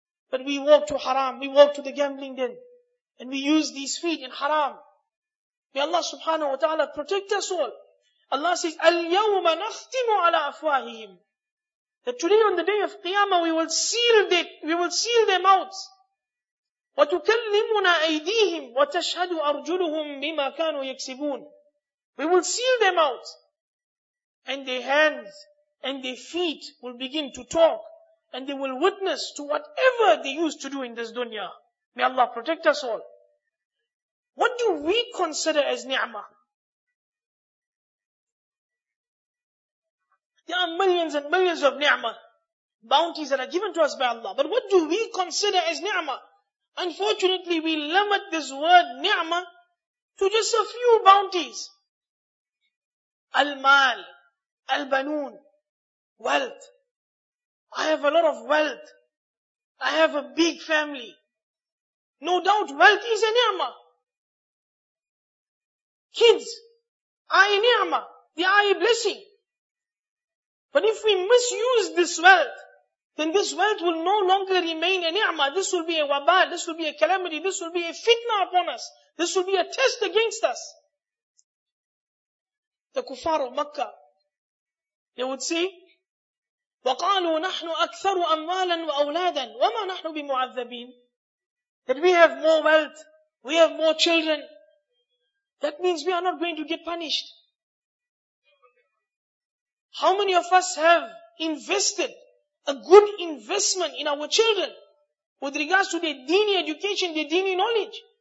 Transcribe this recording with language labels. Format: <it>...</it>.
<en>But we walk to haram, we walk to the gambling den, and we use these feet in haram. May Allah subhanahu wa ta'ala protect us all. Allah says,</en> <ar>Al-yawma nakhtimu ala afwahihim.</ar> <en>That today on the day of Qiyamah we will seal their mouths.</en> <ar>وَتُكَلِّمُنَا أَيْدِيهِمْ وَتَشْهَدُ أَرْجُلُهُمْ بِمَا كَانُوا يَكْسِبُونَ.</ar> <en>We will seal their mouths. And their hands and their feet will begin to talk. And they will witness to whatever they used to do in this dunya. May Allah protect us all. What do we consider as ni'mah? There are millions and millions of ni'mah, bounties that are given to us by Allah. But what do we consider as ni'mah? Unfortunately, we limit this word ni'mah to just a few bounties. Al-mal, al-banoon, wealth. I have a lot of wealth. I have a big family. No doubt, wealth is a ni'mah. Kids are a ni'mah. They are a blessing. But if we misuse this wealth, then this wealth will no longer remain a ni'mah. This will be a wabal, this will be a calamity, this will be a fitna upon us. This will be a test against us. The kuffar of Makkah, they would say,</en> <ar>وَقَالُوا نَحْنُ أَكْثَرُ أَمْوَالًا وَأَوْلَادًا وَمَا نَحْنُ بِمُعَذَّبِينَ.</ar> <en>That we have more wealth, we have more children. That means we are not going to get punished. How many of us have invested a good investment in our children with regards to their dini education, their dini knowledge?</en>